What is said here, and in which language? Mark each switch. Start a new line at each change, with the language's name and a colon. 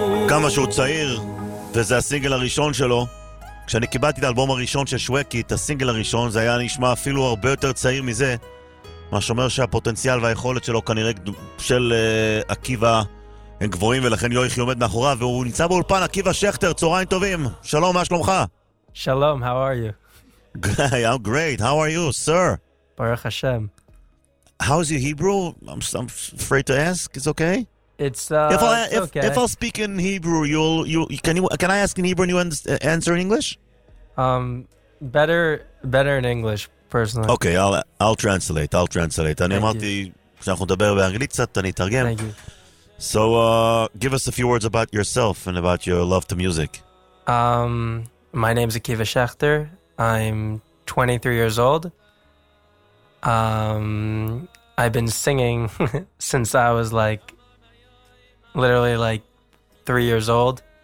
Hebrew: כמה שהוא צעיר, וזה הסינגל הראשון שלו. כשאני קיבלתי את האלבום הראשון של שווקי, את הסינגל הראשון, זה היה נשמע אפילו הרבה יותר צעיר מזה, מה שאומר שהפוטנציאל והיכולת שלו כנראה של עקיבא הם גבוהים, ולכן יויכי עומד מאחוריו, והוא נמצא באולפן. עקיבא שכטר, צהריים טובים, שלום, מה שלומך?
English: שלום, how are you? I'm great, how are you, sir?
Hebrew: ברוך השם.
English: How's your Hebrew? I'm afraid to ask, it's okay? If I'll speak in Hebrew, can I ask in Hebrew and you answer in English? Better in English, personally. Okay, I'll translate.
Hebrew: אני אמרתי שאנחנו נדבר באנגלית קצת, אני אתרגם.
English: Thank you. So, give us a few words about yourself and about your love to music. My name is Akiva Schechter. I'm 23 years old. I've been singing since I was like literally like 3 years old.